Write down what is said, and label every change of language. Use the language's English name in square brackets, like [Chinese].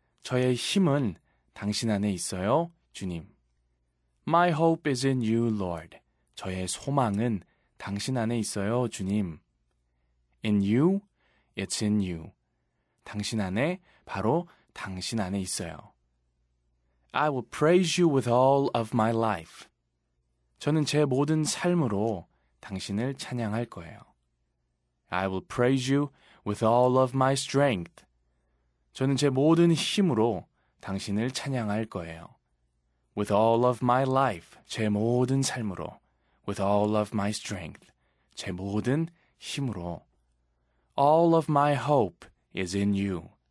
[Korean] 저의 힘은 당신 안에 있어요, 주님. [English] My hope is in you, Lord. [Korean] 저의 소망은 당신 안에 있어요, 주님. [English] In you, it's in you. [Korean] 당신 안에, 바로 당신 안에 있어요. [English] I will praise you with all of my life. [Korean] 저는 제 모든 삶으로 당신을 찬양할 거예요. [English] I will praise you with all of my strength. [Korean] 저는 제 모든 힘으로 당신을 찬양할 거예요. [English] With all of my life, [Korean] 제 모든 삶으로. [English] With all of my strength, [Korean] 제 모든 힘으로. [English] All of my hope is in you.